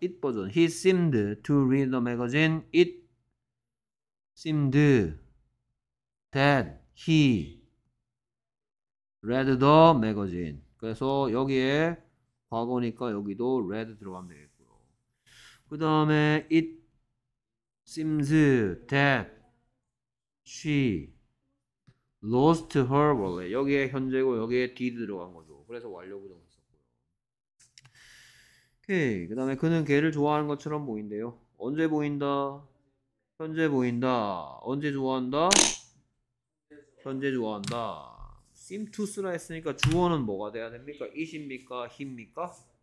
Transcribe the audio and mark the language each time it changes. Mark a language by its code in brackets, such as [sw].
[en] it 버전. He seemed to read the magazine. It seemed that he read the magazine. [ko] 그래서 여기에 과거니까 여기도 red 들어가면 되겠고요. 그 다음에 [en] it seems that she lost her wallet. [ko] 여기에 현재고 여기에 did 들어간 거죠. 그래서 완료구동을 썼고요. 오케이. 그 다음에 그는 걔를 좋아하는 것처럼 보인대요. 언제 보인다? 현재 보인다. 언제 좋아한다? 현재 좋아한다. seem to 쓰라 했으니까 주어는 뭐가 돼야 됩니까? it입니까? he입니까?